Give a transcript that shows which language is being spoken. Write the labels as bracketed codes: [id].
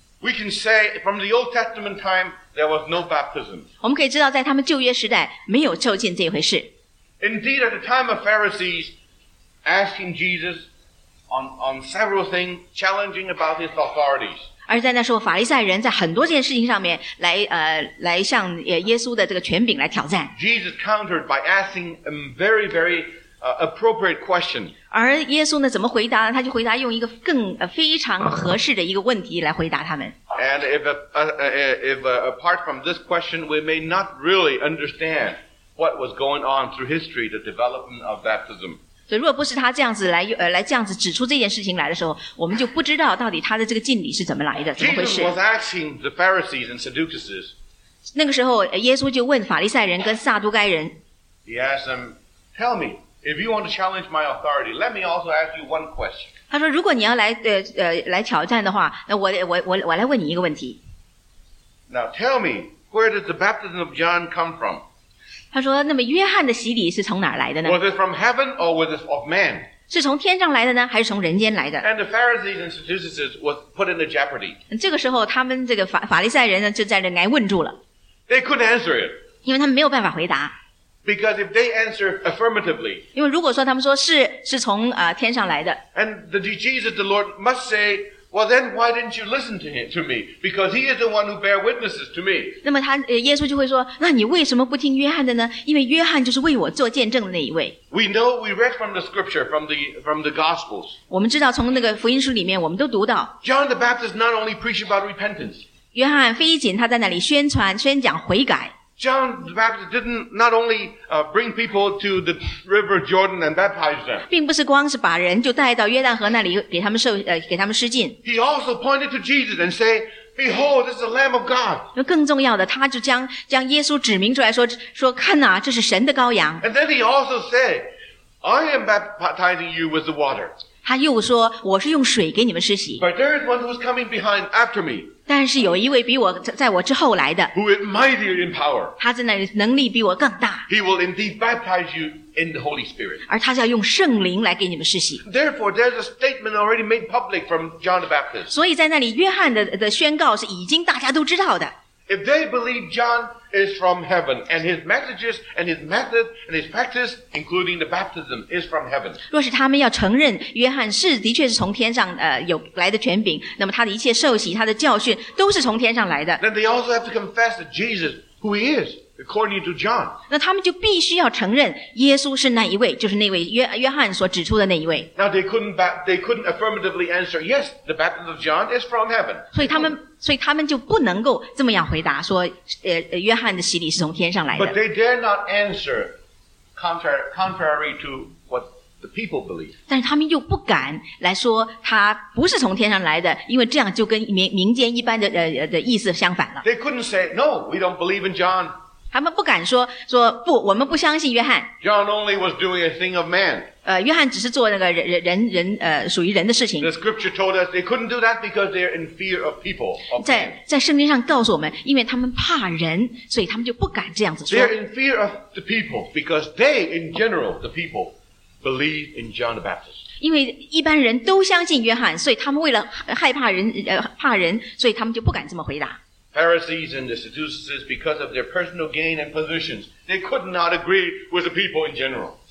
[en] We can say from the Old Testament time there was no baptism. [zh] 我们可以知道在他们旧约时代没有受浸这回事。 [en] Indeed, at the time of Pharisees asking Jesus on several things, challenging about his authorities. [zh] 而在那时候，法利赛人在很多件事情上面来向耶稣的这个权柄来挑战。 [en] Jesus countered by asking a very, very appropriate question. [zh] 而耶稣呢怎么回答呢？他就回答用一个更非常合适的一个问题来回答他们。 [en] And if apart from this question, we may not really understand what was going on through history, the development of baptism. [zh] 所以如果不是他这样子来这样子指出这件事情来的时候，我们就不知道到底他的这个浸礼是怎么来的，怎么回事。 [en] Jesus was asking the Pharisees and Sadducees. [zh] 那个时候耶稣就问法利赛人跟撒都该人。 [en] He asked them, tell me,If you want to challenge my authority, let me also ask you one question. [zh] 他说如果你要来挑战的话，那我来问你一个问题。 [en] Now tell me, where did the baptism of John come from? [zh] 他说那么约翰的洗礼是从哪来的呢？ [en] Was it from heaven or was it of man? [zh] 是从天上来的呢，还是从人间来的？ [en] And the Pharisees and Sadducees was put in jeopardy. [zh] 这个时候他们这个法利赛人呢就在这挨问住了。 [en] They couldn't answer it. [zh] 因为他们没有办法回答。 [en] Because if they answer affirmatively, [zh] 因为如果说他们说是从天上来的 [en] ，and the Jesus the Lord must say Well, then why didn't you listen to him, to me? Because he is the one who bear witnesses to me. [zh] 那么他耶稣就会说，那你为什么不听约翰的呢？因为约翰就是为我做见证的那一位。 [en] We know we read from the scripture from the gospels. [zh] 我们知道从那个福音书里面我们都读到。 [en] John the Baptist not only preached about repentance. [zh] 约翰非仅他在那里宣讲悔改。 [en] John the Baptist didn't not only bring people to the river Jordan and baptize them. [zh] 并不是光是把人就带到约旦河那里给他们受给他们施浸。 [en] He also pointed to Jesus and say, "Behold, this is the Lamb of God." [zh] 那更重要的，他就将耶稣指明出来说看哪，这是神的羔羊。 [en] And then he also said, "I am baptizing you with the water." [zh] 他又说，我是用水给你们施洗。 [en] But there is one who is coming behind after me. [zh] 但是有一位比我在我之后来的 [en] who is mightier in power. [zh] 他真的能力比我更大 [en] He will indeed baptize you in the Holy Spirit. [zh] 而他是要用圣灵来给你们施洗 [en] Therefore, there's a statement already made public from John the Baptist. [zh] 所以在那里约翰 的宣告是已经大家都知道的 [en] If they believe John is from heaven, and his messages, and his method, and his practice, including the baptism, is from heaven. [zh] 若是他们要承认约翰是的确是从天上有来的权柄，那么他的一切受洗，他的教训都是从天上来的。 [en] Then they also have to confess that Jesus, who he is, according to John. [zh] 那他们就必须要承认耶稣是那一位，就是那位约翰所指出的那一位。 [en] Now they couldn't affirmatively answer, yes, the baptism of John is from heaven. [zh] 所以他们就不能够这么样回答说约翰的洗礼是从天上来的。 [en] But they dare not answer contrary to what the people believe. [zh] 但是他们又不敢来说他不是从天上来的因为这样就跟民间一般的意思相反了。 [en] They couldn't say, no, we don't believe in John. [zh] 他们不敢说不，我们不相信约翰。 [en] John only was doing a thing of man. [zh] 约翰只是做那个人属于人的事情。 [en] The scripture told us they couldn't do that because they're in fear of people. [zh] 在圣经上告诉我们，因为他们怕人，所以他们就不敢这样子说。 [en] They're in fear of the people because they, in general, the people, believe in John the Baptist. [zh] 因为一般人都相信约翰，所以他们为了害怕人怕人，所以他们就不敢这么回答。 [en] Pharisees and the Sadducees, because of their personal gain and positions, they could not agree with the people in general.